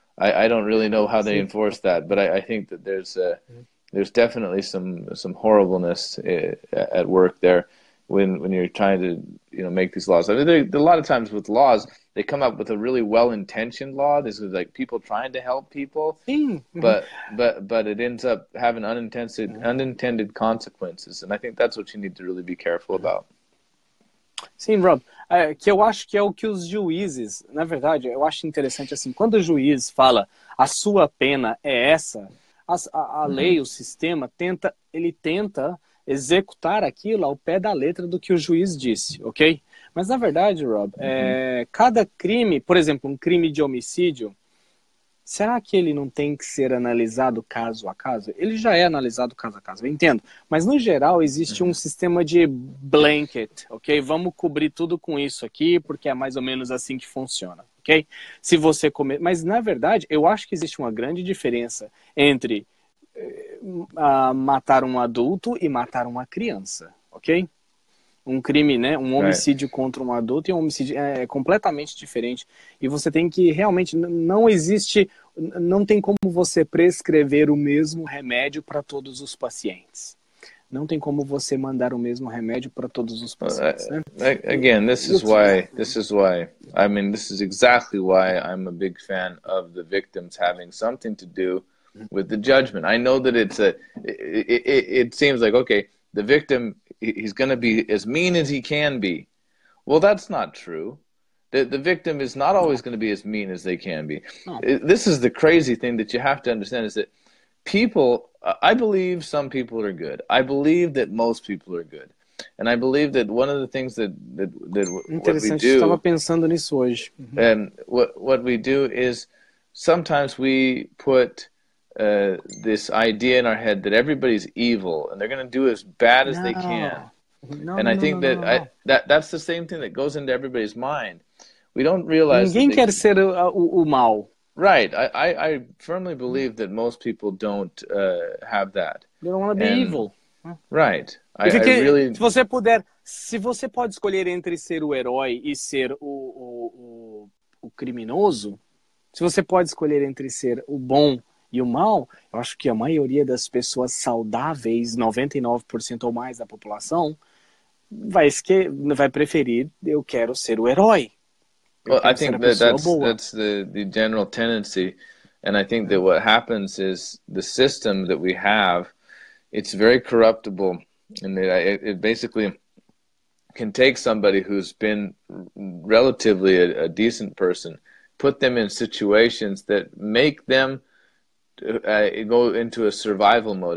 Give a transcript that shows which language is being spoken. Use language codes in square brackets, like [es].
[en] I don't really know how they enforce that. But I think that there's definitely some horribleness at work there when you're trying to, you know, make these laws. I mean, a lot of times with laws, they come up with a really well-intentioned law. This is like people trying to help people, but it ends up having unintended consequences. And I think that's what you need to really be careful about. [pt] Sim, Rob. Que eu acho que é o que os juízes, na verdade, eu acho interessante assim, quando o juiz fala a sua pena é essa, a lei, o sistema, tenta executar aquilo ao pé da letra do que o juiz disse, ok? Mas, na verdade, Rob, cada crime, por exemplo, um crime de homicídio, será que ele não tem que ser analisado caso a caso? Ele já é analisado caso a caso, eu entendo. Mas, no geral, existe um sistema de blanket, ok? Vamos cobrir tudo com isso aqui, porque é mais ou menos assim que funciona, ok? Se você comer... Mas, na verdade, eu acho que existe uma grande diferença entre matar um adulto e matar uma criança, ok? Um crime, né? Um homicídio contra um adulto e um homicídio é completamente diferente. E você tem que realmente, não existe, não tem como você prescrever o mesmo remédio para todos os pacientes. Não tem como você mandar o mesmo remédio para todos os pacientes, né? [en] Again, this is why, I mean, this is exactly why I'm a big fan of the victims having something to do with the judgment. I know that it seems like, okay, the victim, he's going to be as mean as he can be. Well, that's not true. The victim is not always going to be as mean as they can be. This is the crazy thing that you have to understand, is that people, I believe some people are good. I believe that most people are good. And I believe that one of the things that what we do... [pt] Interessante, estava pensando nisso hoje. [en] And what we do is sometimes we put... this idea in our head that everybody's evil and they're going to do as bad as they can. I think that's the same thing that goes into everybody's mind. We don't realize... [pt] Ninguém quer ser o mal. [en] Right. I firmly believe that most people don't have that. They don't want to be evil. Right. I really... [pt] Se você pode escolher entre ser o herói e ser o criminoso, se você pode escolher entre ser o bom e o mal, eu acho que a maioria das pessoas saudáveis, 99% ou mais da população, vai preferir, eu quero ser o herói. [en] I think that's the general tendency. And I think that what happens is the system that we have, it's very corruptible. And it basically can take somebody who's been relatively a decent person, put them in situations that make them go into a survival mode.